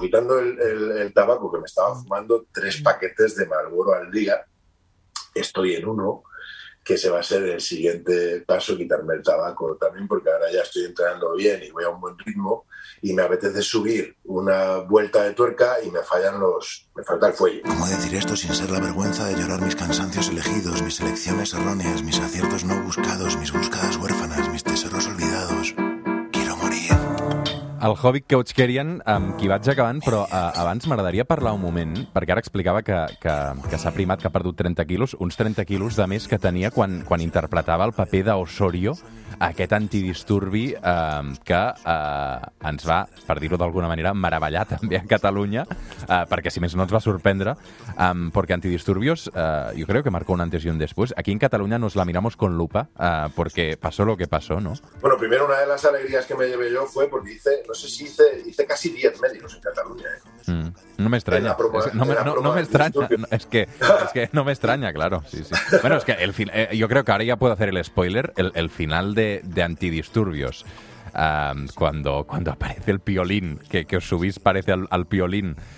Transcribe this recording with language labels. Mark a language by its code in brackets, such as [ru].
[es] Quitando el tabaco, que me estaba fumando 3 paquetes de Marlboro al día, estoy en uno, que ese va a ser el siguiente paso, quitarme el tabaco también, porque ahora ya estoy entrenando bien y voy a un buen ritmo y me apetece subir una vuelta de tuerca y me falta el fuelle. ¿Cómo decir esto sin ser la vergüenza de llorar mis cansancios elegidos, mis elecciones erróneas, mis aciertos no buscados, mis buscadas huérfanas, mis tesoros olvidados? Quiero morir. [ca] El hobby coach Kerian, amb qui vaig acabant, però abans m'agradaria parlar un moment, perquè ara explicava que s'ha primat, que ha perdut 30 quilos, uns 30 quilos de més que tenia quan interpretava el paper d'Osorio, aquest antidisturbi ens va, per dir-ho d'alguna manera, meravellar també a Catalunya, perquè si més no ens va sorprendre, perquè Antidisturbios, jo crec que [es] marcó un antes [ca] i un després. [es] Aquí en Catalunya nos la miramos con lupa, perquè pasó lo que pasó, ¿no? Bueno, primero, una de las alegrías que me llevé yo fue porque hice casi 10 médicos en Catalunya. No me extraña. No me extraña, claro. Sí, sí. Bueno, es que el fin, yo creo que ahora ya puedo hacer el spoiler. El final de Antidisturbios, cuando aparece el piolín, que os subís, parece al piolín